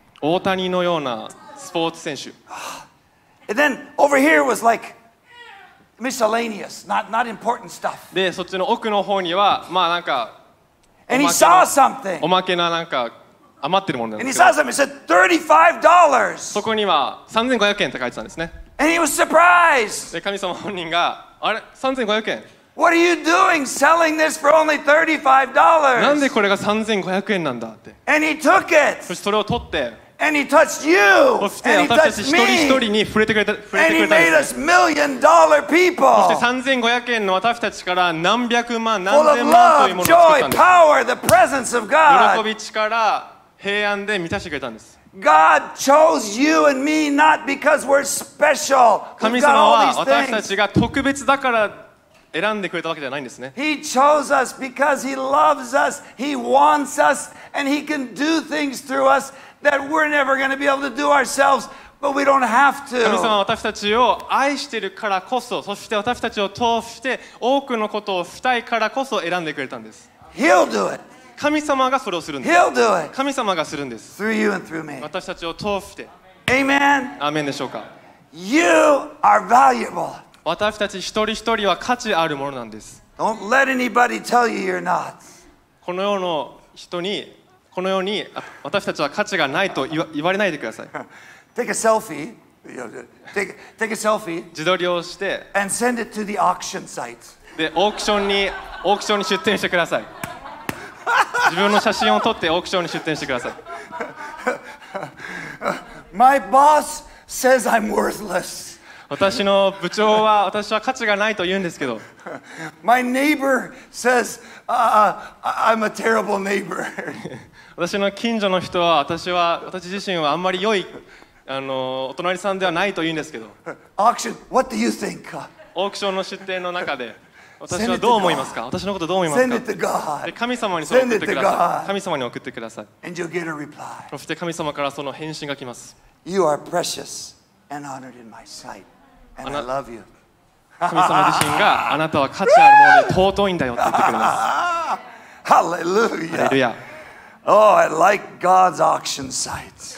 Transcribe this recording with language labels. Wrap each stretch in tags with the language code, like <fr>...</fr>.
<ja>大谷のようなスポーツ選手。</ja> <en>And then over here was like miscellaneous, not important stuff.</en> <ja>で、そっちの奥の方には、まあなんか、</ja> <en>And he saw something.</en> <ja>おまけななんか余ってるものなんですけど。</ja> <en>And he saw something. He said $35.</en> <ja>そこには3500円って書いてたんですね。</ja> <en>And he was surprised.</en> <ja>で、神様本人が、あれ？3500円。</ja> <en>What are you doing selling this for only $35?</en> <ja>なんでこれが3500円なんだって。</ja> <en>And he took it.</en> <ja>そしてそれを取って。</ja> <en>And he touched you.</en> <ja>そして私たち一人一人に触れてくれた、触れてくれたんです。</ja> <en>And he made us million-dollar people.</en> <ja>そして3500円の私たちから何百万、何千万というものを作ったんです。</ja> <en>Full of love, joy, power, the presence of God.</en> <ja>喜び、力、平安で満たしてくれたんです。</ja> <en>God chose you and me not because we're special.</en> <ja>神様は私たちが特別だから選んでくれたわけじゃないんですね。</ja> <en>He chose us because he loves us, he wants us, and he can do things through us that we're never going to be able to do ourselves, but we don't have to.</en> <ja>神様は私たちを愛しているからこそ、そして私たちを通して多くのことをしたいからこそ選んでくれたんです。</ja> <en>He'll do it.</en> <ja>神様がそれをするんです。</ja> <en>He'll do it.</en> <ja>神様がするんです。</ja> <en>Through you and through me.</en> <ja>私たちを通して。</ja> <en>Amen.</en> <ja>アーメンでしょうか。</ja> <en>You are valuable.</en> <ja>私たち一人一人は価値あるものなんです。</ja> <en>Don't let anybody tell you you're not.</en> <ja>この世の人に、この世に私たちは価値がないと言われないでください。</ja> <en>Take a selfie. Take a selfie.</en> <ja>自撮りをして。</ja> <en>And send it to the auction site.</en> <ja>で、オークションに、オークションに出展してください。自分の写真を撮ってオークションに出展してください。</ja> <en>My boss says I'm worthless.</en> <ja>私の部長は私は価値がないと言うんですけど。</ja> <en>My neighbor says, I'm a terrible neighbor.</en> <ja>私の近所の人は私は私自身はあんまり良いお隣さんではないと言うんですけど。</ja> <en>Auction, what do you think?</en> <ja>オークションの出展の中で私はどう思いますか？私のことどう思いますか？</ja> <en>Send it to God.</en> <ja>神様にそれを送ってください。神様に送ってください。</ja> <en>And you'll get a reply.</en> <ja>そして神様からその返信が来ます。</ja> <en>You are precious. And honored in my sight, and I love you.</en> <ja>神様自身があなたは価値あるもので尊いんだよって言ってくれます。</ja> <en>Hallelujah. Hallelujah. Oh, I like God's auction sites.</en>